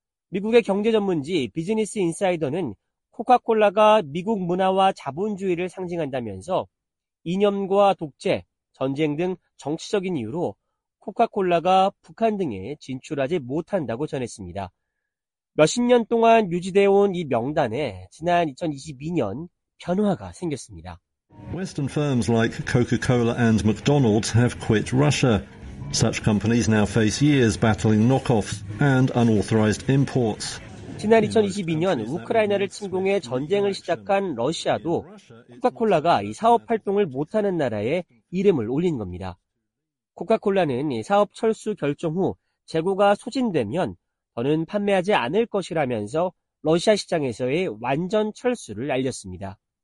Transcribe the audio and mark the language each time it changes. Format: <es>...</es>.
<ko>미국의 경제 전문지 비즈니스 인사이더는 코카콜라가 미국 문화와 자본주의를 상징한다면서 이념과 독재, 전쟁 등 정치적인 이유로 코카콜라가 북한 등에 진출하지 못한다고 전했습니다. 몇십 년 동안 유지되어 온 이 명단에 지난 2022년 변화가 생겼습니다.</ko> <en>Western firms like Coca-Cola and McDonald's have quit Russia. Such companies now face years battling knockoffs and unauthorized imports.</en> <ko>지난 2022년 우크라이나를 침공해 전쟁을 시작한 러시아도 코카콜라가 이 사업 활동을 못하는 나라에 이름을 올린 겁니다. 코카콜라는 이 사업 철수 결정 후 재고가 소진되면 더는 판매하지 않을 것이라면서 러시아 시장에서의 완전 철수를 알렸습니다.</ko>